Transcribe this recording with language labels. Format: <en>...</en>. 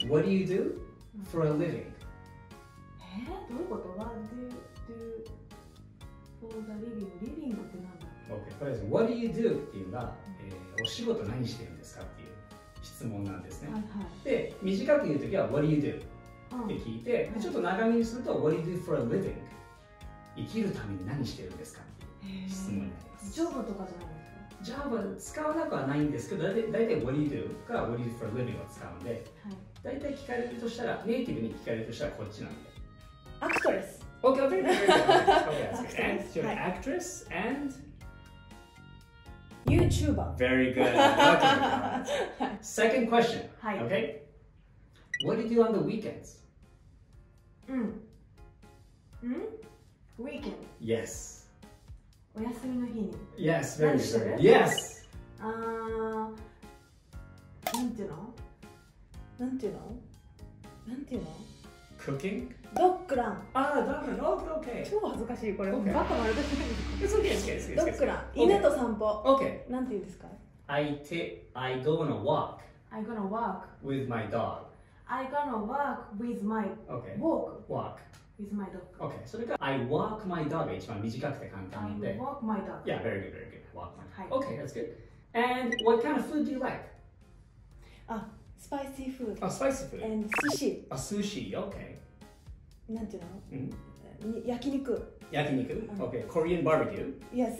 <en>What do you do for a living?</en> <ja>どういうこと？</ja> <en>What do you do for the living?</en> <ja>Living ってなんだ？ OK、とりあえず、</ja> <en>What do you do</en> <ja>っていうのが、お仕事何してるんですかっていう質問なんですね。はいはい、で短く言うときは</ja> <en>What do you do?</en> <ja>って聞いて、はい、ちょっと長めにすると</ja> <en>What do you do for a living?</en> <ja>生きるために何してるんですかっていう質問になります。 Java とかじゃないですか？</ja> <en>Java</en> <ja>使わなくはないんですけど、だいたい</ja> <en>What do you do? か What do you do for a living?</en> <ja>を使うんで、はい、だいたい聞かれるとしたら、ネイティブに聞かれるとしたらこっちなんで。</ja> <en>アクトレス。 OK, OK, OK, OK, OK, OK, OK, OK, OK, YouTuber. Very good. Okay. Second question. Hi. Okay. What do you do on the weekends? Weekend. Yes.</en> <ja>お休みの日に。</ja> <en>Yes. Very good. Yes.</en> <ja>なんていうの?</ja> <en>Cooking?</en> <ja>ドッグラン。ああ、ドッグラン。</ja> <en>Okay, okay.</en> <ja>超恥ずかしい、これ。</ja> <en>Okay.</en> <ja>バカ丸出しないです。</ja> <en>Okay, okay, okay.</en> <ja>ドッグラン。犬と散歩。</ja> <en>Okay. Okay.</en> <ja>なんて言うんですか？</ja> <en>I go on a walk. I go on a walk. With my dog. I go on a walk with my... Okay. Walk. Walk. With my dog. Okay.</en> <ja>それが</ja> <en>I walk my dog</en> <ja>が一番短くて簡単で。</ja> <en>I walk my dog. Yeah, very good, very good. Walk my dog.</en> <ja>はい。</ja> <en>Okay, that's good. And what kind of food do you like? Spicy food. Oh, spicy food. And sushi. A sushi, okay.</en> <ja>なんていうの？ Mm-hmm. 焼肉。焼肉？</ja> <en>Okay. Korean barbecue? Yes.</en>